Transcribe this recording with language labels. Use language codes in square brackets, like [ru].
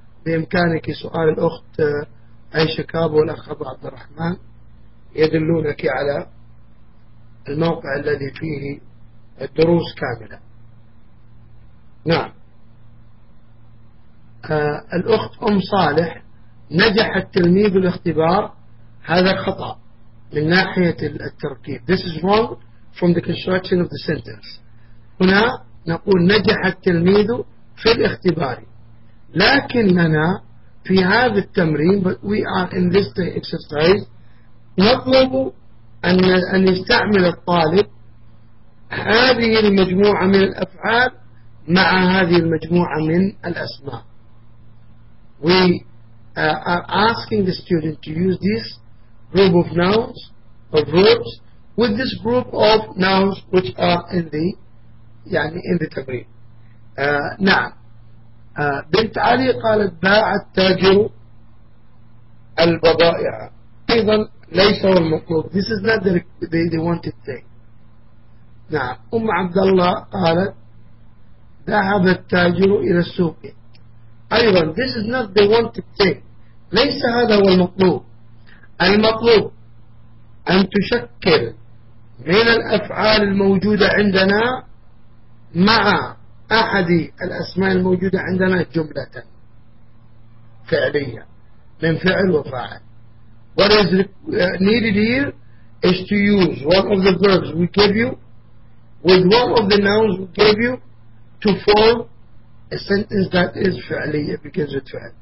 [ar] بإمكانك سؤال الأخت عائشة كاب والأخ أبو عبد الرحمن، يدلونك على الموقع الذي فيه الدروس كاملة. نعم، الأخت أم صالح، نجح التلميذ الاختبار، هذا خطأ من ناحية التركيب. [en] This is wrong from the construction of the sentence. [ar] هنا نقول نجح التلميذ في الاختبار، لكننا في هذا التمرين [en] we are in this exercise [ar] نطلب أن يستعمل الطالب هذه المجموعة من الأفعال مع هذه المجموعة من الأسماء. [en] We are asking the student to use this group of nouns of verbs with this group of nouns which are in the يعني in the تمرين. [ar] نعم. بنت علي قالت باع التاجر البضائع. أيضا ليس هو المطلوب. [en] This is not the wanted thing. [ar] نعم. أم عبد الله قالت ذهب التاجر إلى السوق. أيضا [en] this is not the wanted thing. [ar] ليس هذا هو المطلوب. المطلوب أن تشكل من الأفعال الموجودة عندنا مع أحد الأسماء الموجودة عندنا جملة فعلية من فعل وفاعل. [en] What is needed here is to use one of the verbs we give you with one of the nouns we give you to form a sentence that is فعلية because it's فعل.